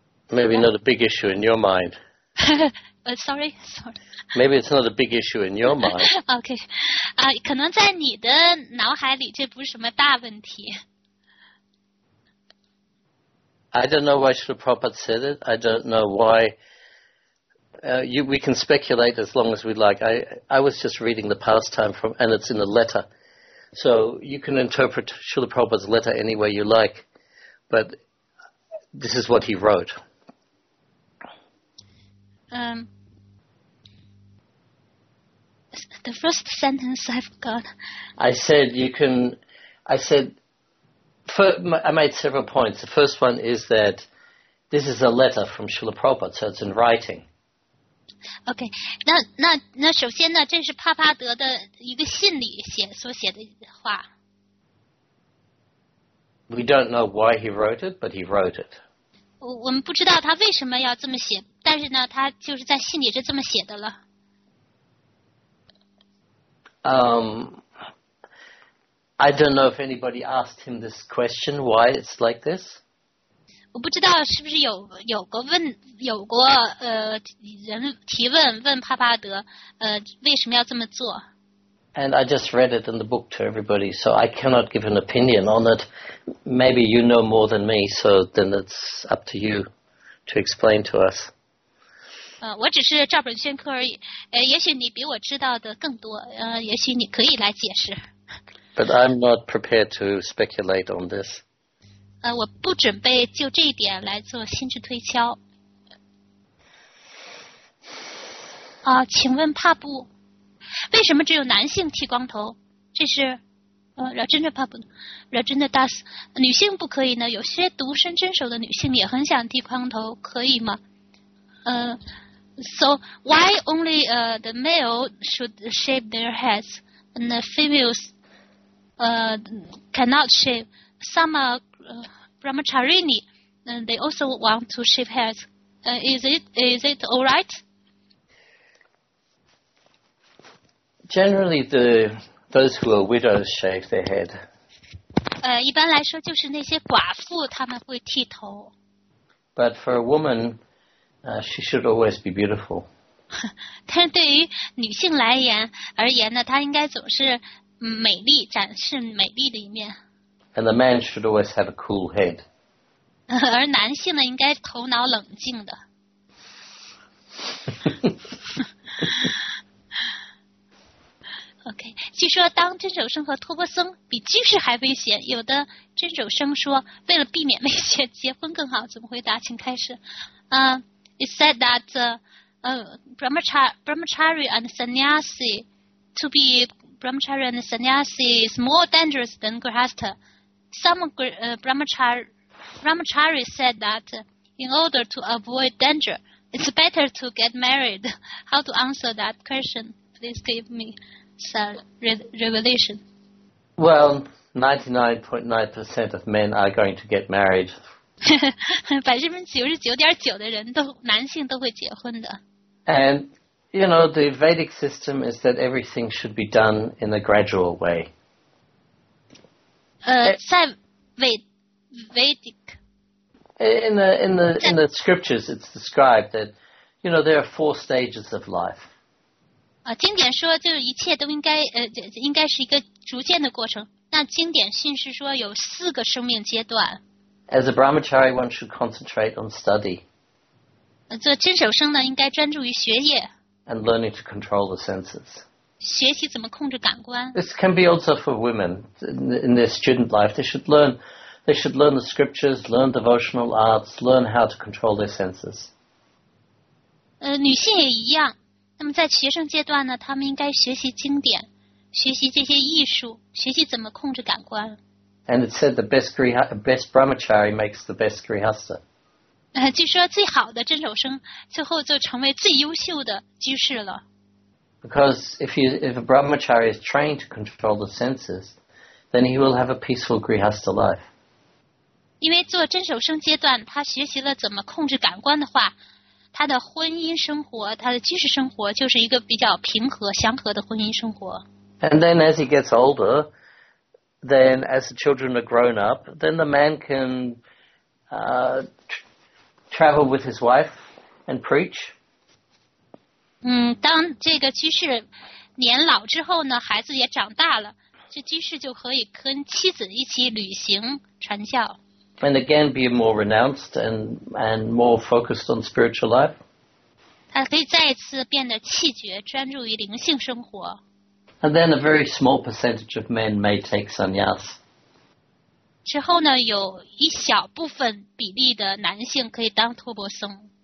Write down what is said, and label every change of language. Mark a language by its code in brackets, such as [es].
[en] Maybe not a big issue in your mind. Sorry. Maybe it's not a big issue in your mind. Okay. [zh] 可能在你的脑海里这不是什么大问题。 [en] I don't know why Srila Prabhupada said it. I don't know why We can speculate as long as we'd like. I was just reading the pastime from, and it's in the letter. So you can interpret Srila Prabhupada's letter any way you like, but this is what he wrote. The first sentence I've got. I made several points. The first one is that this is a letter from Srila Prabhupada, so it's in writing. [zh] OK, 那首先呢，这是帕帕德的一个信里所写的话。 [en] We don't know why he wrote it, but he wrote it. [zh] 我们不知道他为什么要这么写，但是呢，他就是在信里是这么写的了。 [en] I don't know if anybody asked him this question, why it's like this. [zh] 我不知道是不是有过人提问帕帕德为什么要这么做。 [en] And I just read it in the book to everybody, so I cannot give an opinion on it. Maybe you know more than me, so then it's up to you to explain to us. [zh] 我只是照本宣科而已，也许你比我知道的更多，也许你可以来解释。 [en] But I'm not prepared to speculate on this. [zh] 我不准备就这一点来做心智推敲。请问帕布，为什么只有男性剃光头？这是Rajendra Prabhu Rajendra Das， 女性不可以呢？有些独身真守的女性也很想剃光头，可以吗？ [en] So why only the male should shave their heads and the females cannot shave? Some Brahmacharini, and they also want to shave heads. Is it all right? Generally, those who are widows shave their head. [zh] 一般来说就是那些寡妇他们会剃头。 [en] But for a woman, she should always be beautiful. [zh] 但对于女性而言呢，她应该总是美丽，展示美丽的一面。 [en] And the man should always have a cool head. [zh] 而男性呢，应该头脑冷静的。 OK， 据说当真守生和托钵僧比居士还危险。有的真守生说，为了避免危险，结婚更好。怎么回答？请开始。 [en] It said that Brahmachari and Sannyasi to be Brahmachari and Sannyasi is more dangerous than Grihastha. Some Brahmachari said that in order to avoid danger, it's better to get married. How to answer that question? Please give me some revelation. Well, 99.9% of men are going to get married. [zh] 99.9% 的人都男性都会结婚的。 [en] And, you know, the Vedic system is that everything should be done in a gradual way. [zh] 在Vedic. [en] In the scriptures, it's described that, you know, there are four stages of life. [zh] 经典说就一切都应该是一个逐渐的过程。那经典训示说有四个生命阶段。 [en] As a brahmachari, one should concentrate on study. [zh] 做真守生呢，应该专注于学业。 [en] And learning to control the senses. [zh] 学习怎么控制感官。 [en] This can be also for women in their student life. They should learn the scriptures, learn devotional arts, learn how to control their senses. [zh] 女性也一样。那么在学生阶段呢，她们应该学习经典，学习这些艺术，学习怎么控制感官。 [en] And it said the best brahmachari makes the best grihastha. [zh] 据说最好的真守生最后就成为最优秀的居士了。 [en] Because if a brahmachari is trained to control the senses, then he will have a peaceful grihastha life. [zh] 因为做真守生阶段，他学习了怎么控制感官的话，他的婚姻生活，他的居士生活就是一个比较平和、祥和的婚姻生活。 [en] And then as he gets older, then as the children are grown up, then the man can travel with his wife and preach. [zh] 当这个居士年老之后呢，孩子也长大了，这居士就可以跟妻子一起旅行传教。 [en] And again, be more renounced and more focused on spiritual life. [zh] 他可以再一次变得气绝，专注于灵性生活。 [en] And then a very small percentage of men may take sannyas. [zh] 之后呢，有一小部分比例的男性可以当托钵僧。